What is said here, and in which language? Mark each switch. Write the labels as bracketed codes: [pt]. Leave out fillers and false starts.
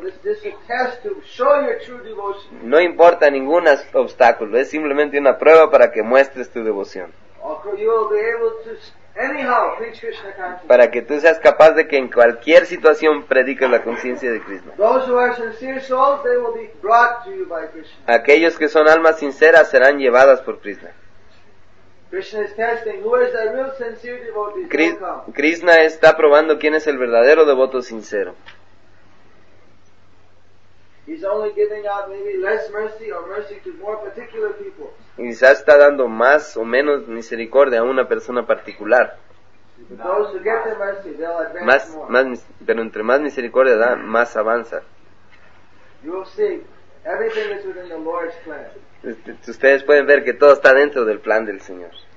[en] This is a test to show your true devotion. [es] No importa ningún obstáculo. Es simplemente una prueba para que muestres tu devoción. [en] You will be able to anyhow preach Krishna consciousness. [es] Para que tú seas capaz de que en cualquier situación prediques la conciencia de Krishna. [en] Those who are sincere souls, they will be brought to you by Krishna. [es] Aquellos que son almas sinceras serán llevadas por Krishna. [en] Krishna is testing who is the real sincere devotee. [es] Krishna está probando quién es el verdadero devoto sincero. [en] He's only giving out maybe less mercy or mercy to more particular people. [es] Quizás está dando más o menos misericordia a una persona particular. [en] Those who get the mercy, they'll advance more. [es] Pero entre más misericordia da, más avanza. [en] You will see, everything is within the Lord's plan. [es] Ustedes pueden ver que todo está dentro del plan del Señor.